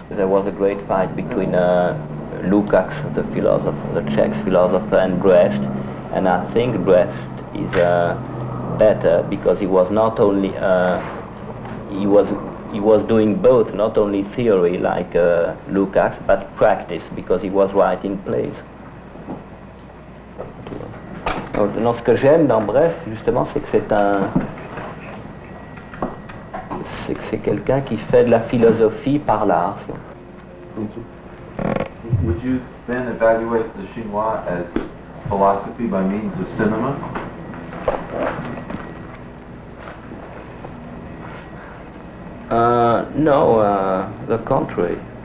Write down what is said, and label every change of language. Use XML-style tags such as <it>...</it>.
<en>There was a great fight between Lukács, the philosopher, the Czech philosopher, and Brecht. And I think Brecht is better because he was not only... He was doing both, not only theory like Lukács, but practice, because he was writing plays.</en> <fr>Non, ce que j'aime dans Brecht, justement, c'est que c'est quelqu'un qui fait de la philosophie par l'art.</fr> <en>Thank you. Would you then evaluate the Chinois as philosophy by means of cinema? No, the contrary.</en>